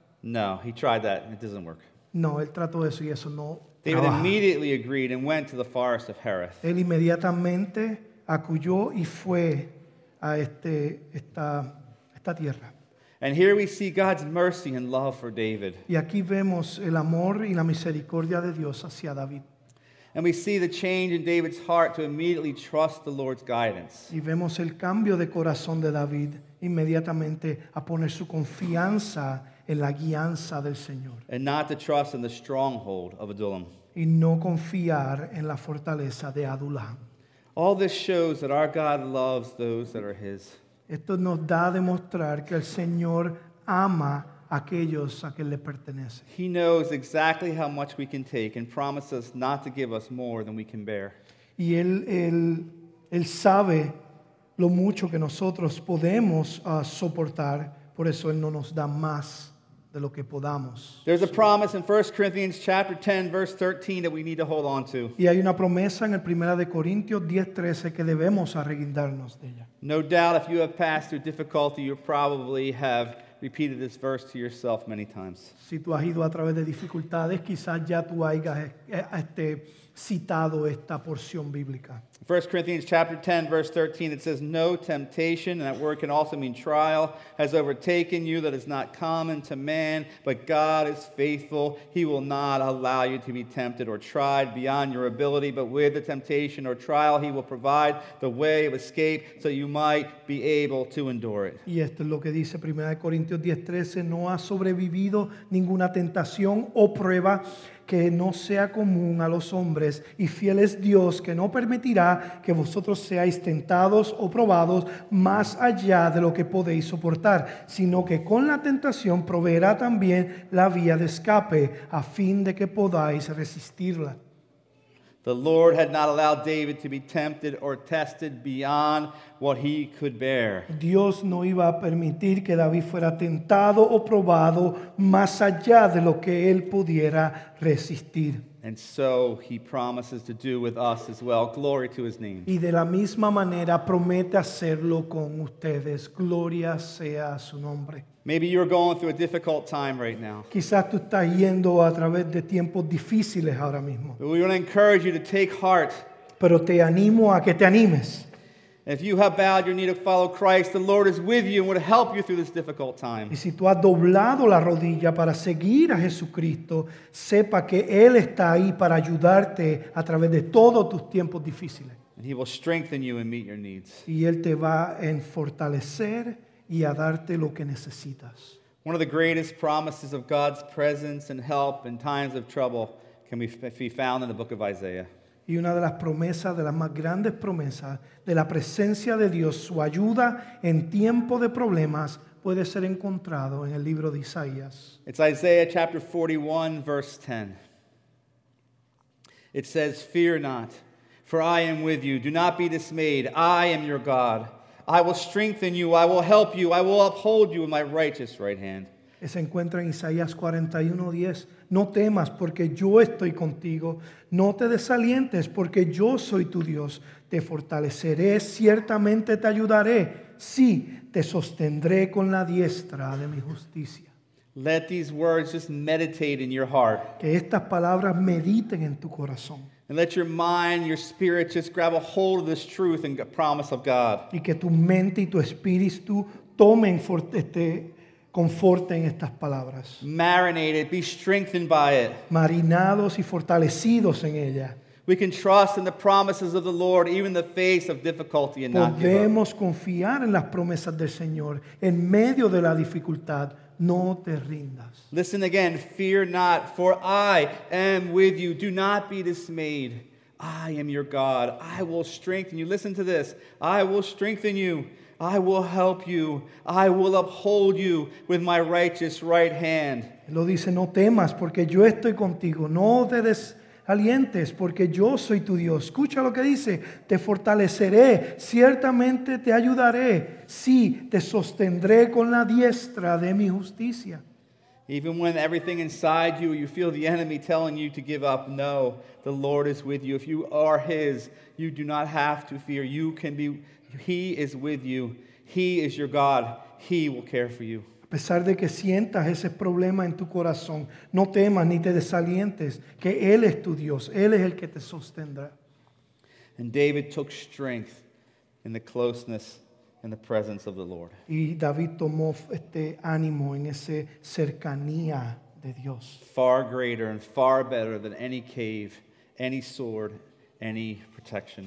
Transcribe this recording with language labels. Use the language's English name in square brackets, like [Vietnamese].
[English] No, he tried that and it doesn't work. [Spanish] No, él trató eso y eso no. [English] David immediately agreed and went to the forest of Hereth. [Spanish] Él inmediatamente acudió y fue a esta tierra. [English] And here we see God's mercy and love for David. [Spanish] Y aquí vemos el amor y la misericordia de Dios hacia David. [English] And we see the change in David's heart to immediately trust the Lord's guidance. [Spanish] Y vemos el cambio de corazón de David inmediatamente a poner su confianza en la guianza del Señor. [English] And not to trust in the stronghold of Adullam. [Spanish] Y no confiar en la fortaleza de Adullam. [English] All this shows that our God loves those that are His. [Spanish] Esto nos da a demostrar que el Señor ama aquellos a quien le pertenece. [English] He knows exactly how much we can take and promises not to give us more than we can bear. [Spanish] Y él sabe lo mucho que nosotros podemos soportar, por eso Él no nos da más de lo que podamos. [English] There's a promise in 1 Corinthians chapter 10 verse 13 that we need to hold on to. [Spanish] Y hay una promesa en el Primera de Corintios 10:13 que debemos arreglarnos de ella. [English] No doubt if you have passed through difficulty, you probably have repeated this verse to yourself many times. [Spanish] Si tú has ido a través de dificultades, quizás ya tú hayas citado esta porción bíblica. [English] 1 Corinthians chapter 10 verse 13, it says, no temptation, and that word can also mean trial, has overtaken you that is not common to man, but God is faithful. He will not allow you to be tempted or tried beyond your ability, but with the temptation or trial, He will provide the way of escape so you might be able to endure it. [Spanish] Y esto es lo que dice 1 Corintios 10, 13, no ha sobrevivido ninguna tentación o prueba que no sea común a los hombres, y fiel es Dios que no permitirá que vosotros seáis tentados o probados más allá de lo que podéis soportar, sino que con la tentación proveerá también la vía de escape a fin de que podáis resistirla. [English] The Lord had not allowed David to be tempted or tested beyond what he could bear. [Spanish] Dios no iba a permitir que David fuera tentado o probado más allá de lo que él pudiera resistir. [English] And so he promises to do with us as well. Glory to his name. [Spanish] Y de la misma manera promete hacerlo con ustedes. Gloria sea su nombre. [English] Maybe you're going through a difficult time right now. [Spanish] Quizás tú estás yendo a través de tiempos difíciles ahora mismo. [English] But we want to encourage you to take heart. [Spanish] Pero te animo a que te animes. [English] If you have bowed your knee to follow Christ, the Lord is with you and will help you through this difficult time. [Spanish] Y si tú has doblado la rodilla para seguir a Jesucristo, sepa que Él está ahí para ayudarte a través de todos tus tiempos difíciles. [English] And He will strengthen you and meet your needs. [Spanish] Y Él te va a fortalecer y a darte lo que necesitas. [English] One of the greatest promises of God's presence and help in times of trouble can be found in the book of Isaiah. [Spanish] Y una de las promesas, de las más grandes promesas, de la presencia de Dios, su ayuda en tiempo de problemas, puede ser encontrado en el libro de Isaías. [English] It's Isaiah chapter 41, verse 10. It says, fear not, for I am with you. Do not be dismayed. I am your God. I will strengthen you. I will help you. I will uphold you with my righteous right hand. [Spanish] Se encuentra en Isaías 41, 10. No temas, porque yo estoy contigo. No te desalientes, porque yo soy tu Dios. Te fortaleceré, ciertamente te ayudaré. Sí, te sostendré con la diestra de mi justicia. [English] Let these words just meditate in your heart. [Spanish] Que estas palabras mediten en tu corazón. [English] And let your mind, your spirit just grab a hold of this truth and promise of God. [Spanish] Y que tu mente y tu espíritu tomen conforten estas palabras. [English] Marinate it, be strengthened by it. [Spanish] Marinados y fortalecidos en ella. [English] We can trust in the promises of the Lord, even in the face of difficulty and [Spanish] podemos [English] not give up. [Spanish] Podemos confiar en las promesas del Señor en medio de la dificultad. No te rindas. [English] Listen again, fear not, for I am with you. Do not be dismayed. I am your God. I will strengthen you. Listen to this. I will strengthen you. I will help you. I will uphold you with my righteous right hand. [Spanish] Lo dice, no temas, porque yo estoy contigo. No te desalientes, porque yo soy tu Dios. Escucha lo que dice. Te fortaleceré, ciertamente te ayudaré. Sí, te sostendré con la diestra de mi justicia. [English] Even when everything inside you, you feel the enemy telling you to give up, no, the Lord is with you. If you are His, you do not have to fear. You can be. He is with you. He is your God. He will care for you. [Spanish] A pesar de que sientas ese problema en tu corazón, no temas ni te desalientes, que Él es tu Dios. Él es el que te sostendrá. [English] And David took strength in the closeness and the presence of the Lord. [Spanish] Y David tomó ánimo en esa cercanía de Dios. [English] Far greater and far better than any cave, any sword, any protection.